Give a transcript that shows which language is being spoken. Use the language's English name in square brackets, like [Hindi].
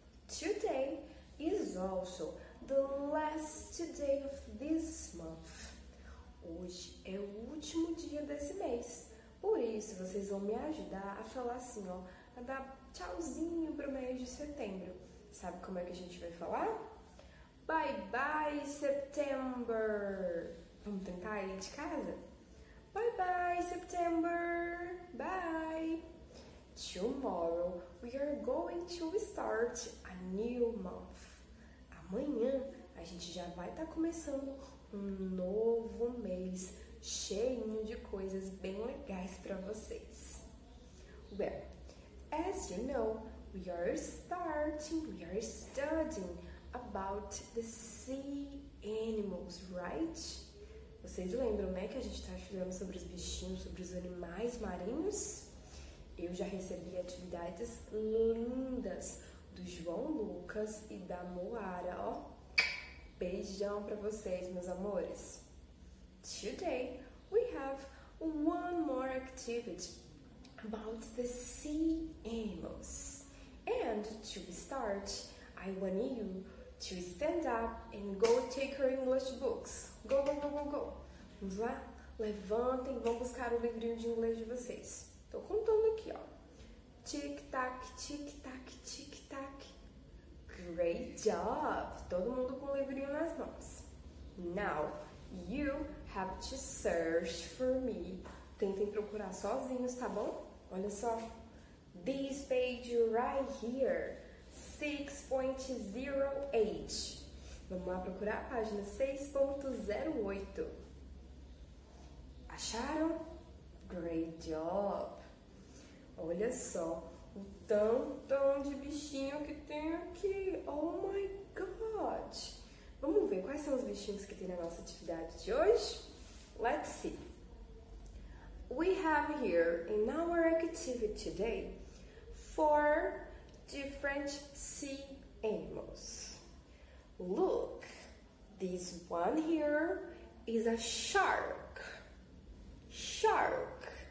[English] Today is also the last day of this month. [Portuguese] Hoje é o último dia desse mês. Por isso, vocês vão me ajudar a falar assim, ó, a dar tchauzinho pro mês de setembro. Sabe como é que a gente vai falar? [English] Bye bye, September! [Portuguese] Vamos tentar aí de casa? [English] Bye bye, September! Bye! Tomorrow, we are going to start a new month. [Portuguese] Amanhã, a gente já vai estar começando um novo mês cheio de coisas bem legais para vocês. [English] Well, as you know, we are starting, we are studying about the sea animals, right? [Portuguese] Vocês lembram, né, que a gente está estudando sobre os bichinhos, sobre os animais marinhos? Eu já recebi atividades lindas do João Lucas e da Moara, ó. Beijão para vocês, meus amores. [English] Today, we have one more activity about the sea animals. And to start, I want you to stand up and go take your English books. Go, go, go, go, go. [Portuguese] Vamos lá? Levantem, vão buscar o livrinho de inglês de vocês. Tô contando aqui, ó. Tic-tac, tic-tac, tic-tac. [English] Great job! [Portuguese] Todo mundo com o livrinho nas mãos. [English] Now, you have to search for me. [Portuguese] Tentem procurar sozinhos, tá bom? Olha só. [English] This page right here. [Portuguese] 6.08. Vamos lá procurar a página 6.08. Acharam? [English] Great job! [Portuguese] Olha só. O tanto de bichinho que tem aqui. [English] Oh my God! [Portuguese] Vamos ver quais são os bichinhos que tem na nossa atividade de hoje? [English] Let's see. We have here in our activity today 4 different sea animals. Look, this one here is a shark. Shark.